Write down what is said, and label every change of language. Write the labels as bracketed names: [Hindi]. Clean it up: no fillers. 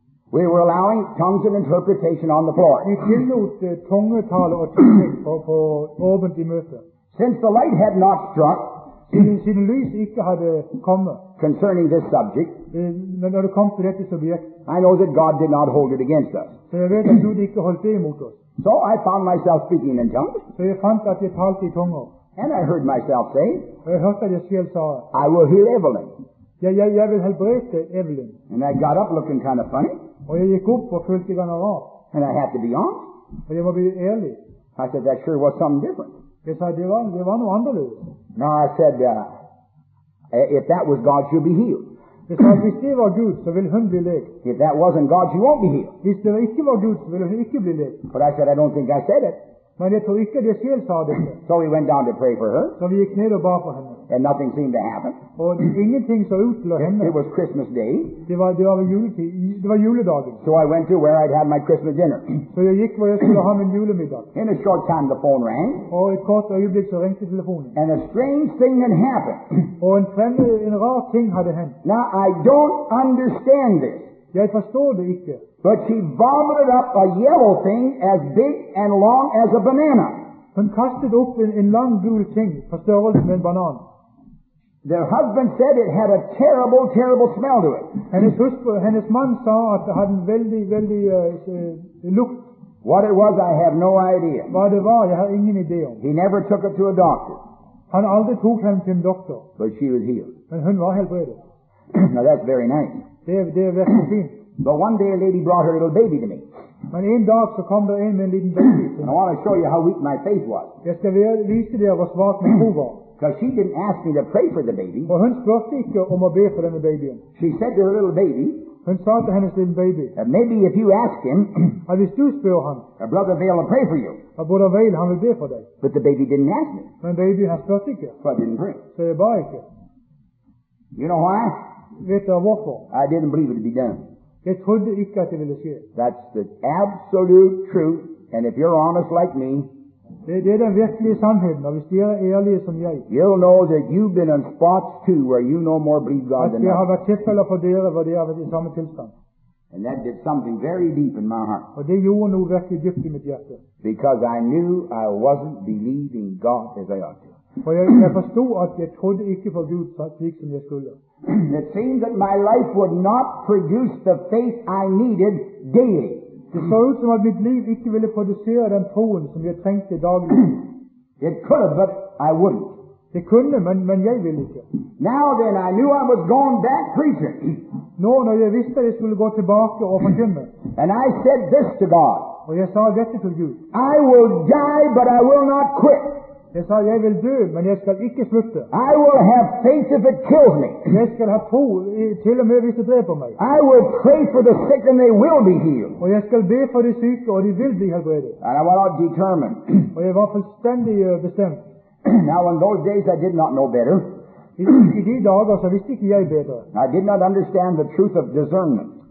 [English] we were allowing tongues and interpretation on the floor. [Norwegian] Vi tillot tungetale og tydning på åpent i møtet. [English] Since the light had not struck, [Norwegian] siden lys ikke hadde kommet, [English] concerning this subject, [Norwegian] når det kom til dette subjektet, [English] I know that God did not hold it against us. [Norwegian] Så jeg vet at Gud ikke holdt det imot oss. [English] So I found myself speaking in tongues. [Norwegian] Så jeg fant at jeg talte i tunger. [English] And I heard myself say, [Norwegian] jeg hørte at jeg selv sa, [English] I will heal Evelyn. [Norwegian] Jeg vil helbrede Evelyn. [English] And I got up looking kind of funny. [Norwegian] Og jeg gikk opp og følte ganske rart. [English] And I had to be honest. [Norwegian] Og jeg må bli ærlig. [English] I said, that sure was something different. [Norwegian] Jeg sa, det var noe annerledes. [English] Now I said, if that was God, she'll be healed. [Norwegian] Hvis det var Gud, så ville hun bli lekt. [English] If that wasn't God, she won't be healed. [Norwegian] Hvis det ikke var Gud, så ville hun ikke bli lekt. [English] But I said, I don't think I said it. [Norwegian] Men jeg tror ikke at jeg selv sa det. [English] So we went down to pray for her. [Norwegian] Så vi gikk ned og bar for henne. [English] And nothing seemed to happen. [Norwegian] Og ingenting så ut til å hende. [English] It was Christmas Day. [Norwegian] Det var juledagen. [English] So I went to where I'd had my Christmas dinner. [Norwegian] Så jeg gikk hvor jeg skulle ha min julemiddag. [English] In a short time the phone rang. [Norwegian] Og et kort øyeblikk så ringte telefonen. [English] And a strange thing had happened. [Norwegian] Og en rar ting hadde hendt. [English] Now I don't understand this. [Norwegian] Jeg forstår det ikke. [English] But she vomited up a yellow thing as big and long as a banana. [Norwegian] Hun kastet opp en lang gul ting på størrelse med en banan. [English] Their husband said it had a terrible, terrible smell to it. [Norwegian] Hennes mann sa at det hadde en veldig, veldig lukt. [English] What it was, I have no idea. [Norwegian] Hva det var, jeg har ingen idé om. [English] He never took it to a doctor. [Norwegian] Han aldri tok henne til en doktor. [English] But she was healed. [Norwegian] Men hun var helbredet. [English] Now that's very nice. [Norwegian] Det er veldig fint. [English] But one day a lady brought her little baby to me. [Norwegian] Men en dag så kom der en med en liten baby. [English] And I want to show you how weak my faith was. [Norwegian] Jeg skal vise deg hvor svak min tro var. [English] Because she didn't ask me to pray for the baby. [Norwegian] Og hun spurte ikke om å be for denne babyen. [English] She said to her little baby. [Norwegian] Hun sa til hennes lille baby. [English] And maybe if you ask him. [Norwegian] Og hvis du spør han. [English] A brother Vail will pray for you. [Norwegian] Og brother Vail, han vil be for deg. [English] But the baby didn't ask me. [Norwegian] Men babyen har spurt ikke. [English] So I didn't pray. [Norwegian] Så jeg bar ikke. [English] You know why? [Norwegian] Vet du hvorfor? [English] I didn't believe it to be done. [Norwegian] Jeg trodde ikke at det ville skje. [English] That's the absolute truth. And if you're honest like me. [Norwegian] Det er den virkelige sannheten. Og hvis dere er ærlige som jeg. [English] You'll know that you've been in spots too where you no more believe God than [Norwegian] I. At det har vært tilfeller for dere hvor dere har vært i samme tilstand. [English] And that did something very deep in my heart. [Norwegian] Og det gjorde noe virkelig dypt i mitt hjerte. [English] Because I knew I wasn't believing God as I ought to. [Norwegian] For jeg forstod at jeg trodde ikke på Gud slik som jeg skulle. [English] It seemed that my life would not produce the faith I needed daily. [Norwegian] Det så ut som at mitt liv ikke ville produsere den troen som jeg trengte daglig. [English] It could have, but I wouldn't. [Norwegian] Det kunne, men jeg ville ikke. [English] Now then, I knew I was going back preaching. [Norwegian] Nå, når jeg visste jeg skulle gå tilbake og forkynne. [English] And I said this to God. [Norwegian] Og jeg sa dette til Gud. [English] I will die, but I will not quit. [Norwegian] Jeg sa, jeg vil dø, men jeg skal ikke slutte. [English] I will have faith if it kills me. [Norwegian] Jeg skal ha tro, til og med hvis det dreper meg. [English] I will pray for the sick and they will be healed. [Norwegian] Og jeg skal be for de syke, og de vil bli helbredet. [English] And I was determined. [Norwegian] Og jeg var fullstendig bestemt. [English] Now in those days I did not know better. [Norwegian] I de dager så visste ikke jeg bedre. [English] I did not understand the truth of discernment.